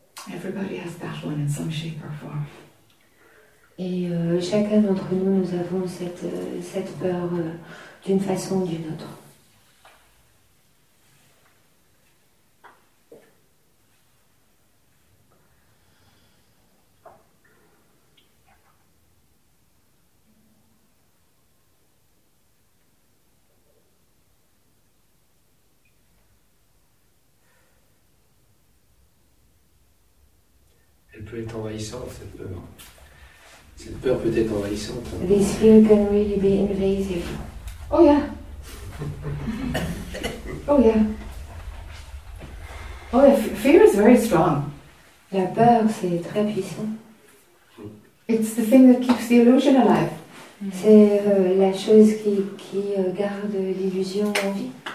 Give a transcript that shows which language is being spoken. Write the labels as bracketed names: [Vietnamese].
[English] Everybody has that one in some shape or form. [French] Et chacun d'entre nous, nous avons cette peur d'une façon ou d'une autre. Elle peut être envahissante, cette peur. Cette peur peut être envahissante. [English] This fear can really be invasive. Oh yeah. Oh yeah. Oh yeah, fear is very strong. [French] La peur, c'est très puissant. [English] It's the thing that keeps the illusion alive. [French] C'est la chose qui garde l'illusion en vie.